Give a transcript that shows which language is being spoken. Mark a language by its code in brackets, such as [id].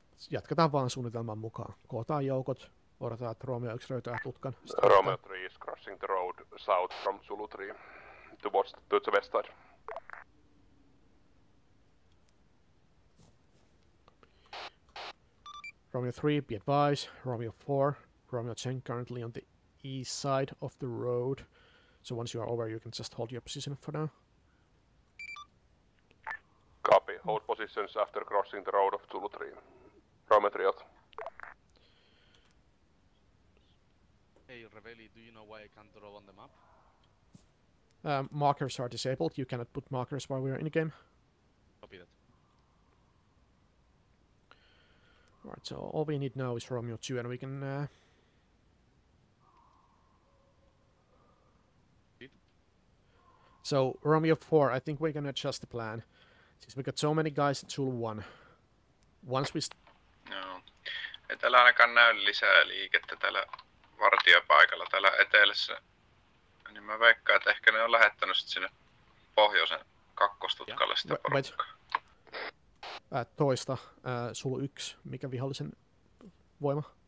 [fi] Jatketaan vaan suunnitelman mukaan. Kootaan joukot, Odotetaan, että Romeo 1 löytää tutkan. [en] Romeo 3 is crossing the road south from Zulu 3 towards the west side. Romeo 3, be advised. Romeo 4, Romeo 10 currently on the east side of the road. So once you are over, you can just hold your position for now. Copy. Hold positions after crossing the road of Zulu 3. Romeo 3 out. Hey, Reveli, do you know why I can't draw on the map? Markers are disabled. You cannot put markers while we are in the game. Copy that. Alright, so all we need now is Romeo 2 and we can... So, Romeo 4, I think we're gonna adjust the plan. Since we got so many guys at Zulu 1. Once we... No. [fi] Et älä ainakaan näy lisää liikettä täällä vartiopaikalla täällä etelässä. Niin mä veikkaan, että ehkä ne on lähettänyt sit sinne pohjoisen kakkostutkalle sitä porukkaa. Toista, Zulu 1, mikä vihollisen voima?